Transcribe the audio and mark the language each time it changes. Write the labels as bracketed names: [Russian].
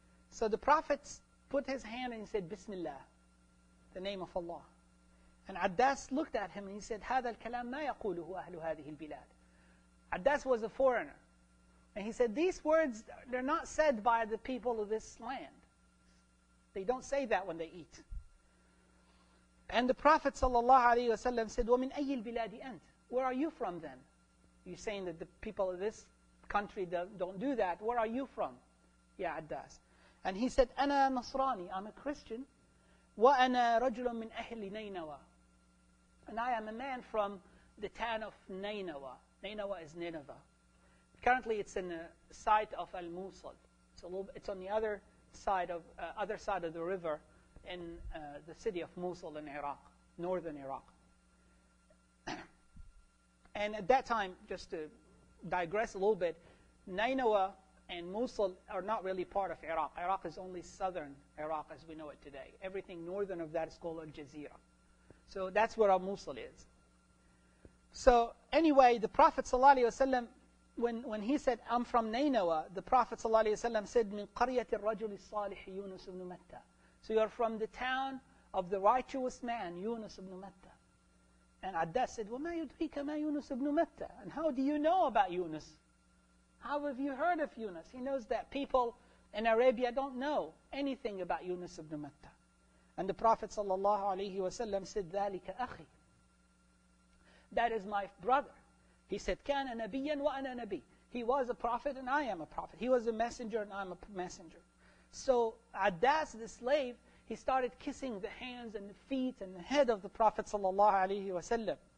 [English] So the Prophet put his hand and he said, Bismillah, the name of Allah. And Adas looked at him and he said, [Arabic] هذا الكلام ما يقوله أهل هذه البلاد. [English] Adas was a foreigner. And he said, these words, they're not said by the people of this land. They don't say that when they eat. And the Prophet ﷺ said, [Arabic] ومن أي البلاد أنت? [English] Where are you from then? You're saying that the people of this country don't do that. Where are you from? Ya Adas. And he said, [Arabic] أنا نصراني. [English] I'm a Christian. [Arabic] وأنا رجل من أهل نينوى. [English] And I am a man from the town of نينوى. نينوى is Nineveh. Currently, it's in the site of Al Musul. It's a little. It's on the other side of the river, in the city of Musul in Iraq, northern Iraq. And at that time, just to digress a little bit, Nineveh and Mosul are not really part of Iraq. Iraq is only southern Iraq as we know it today. Everything northern of that is called Al-Jazeera. So that's where our Mosul is. So anyway, the Prophet ﷺ, when he said, I'm from Nineveh, the Prophet ﷺ said, [Arabic] مِن قَرْيَةِ الرَّجُلِ الصَّالِحِ يُونُسُ بْنُ مَتَّى. [English] So you're from the town of the righteous man, Yunus ibn Matta. And Adas said, [Arabic] وَمَا يُدْرِيكَ مَا يُونُسُ بْنُ مَتَّى. [English] And how do you know about Yunus? How have you heard of Yunus? He knows that people in Arabia don't know anything about Yunus ibn Matta. And the Prophet sallallahu alayhi wa sallam said, [Arabic] ذَلِكَ أَخِي. [English] That is my brother. He said, [Arabic] كَانَ نَبِيًّا وَأَنَا نَبِي. [English] He was a prophet and I am a prophet. He was a messenger and I am a messenger. So Adas, the slave, he started kissing the hands and the feet and the head of the Prophet sallallahu alayhi wa sallam.